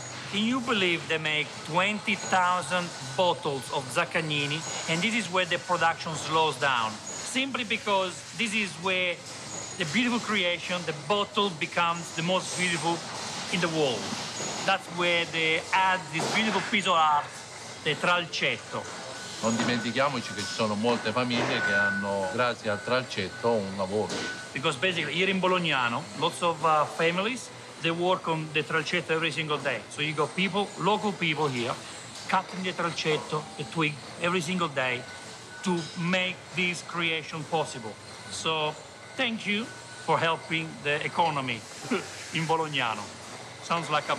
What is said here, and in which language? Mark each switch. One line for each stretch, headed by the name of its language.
English: Can you believe they make 20,000 bottles of Zaccagnini, and this is where the production slows down? Simply because this is where the beautiful creation, the bottle becomes the most beautiful in the world. That's where they add this beautiful piece of art, the Tralcetto.
Italian: Non dimentichiamoci che ci sono molte famiglie che hanno, grazie al Tralcetto, un lavoro.
English: Because basically, here in Bolognano, lots of families, they work on the Tralcetto every single day. So you got people, local people here, cutting the Tralcetto, the twig, every single day to make this creation possible. So thank you for helping the economy in Bolognano. Sounds like a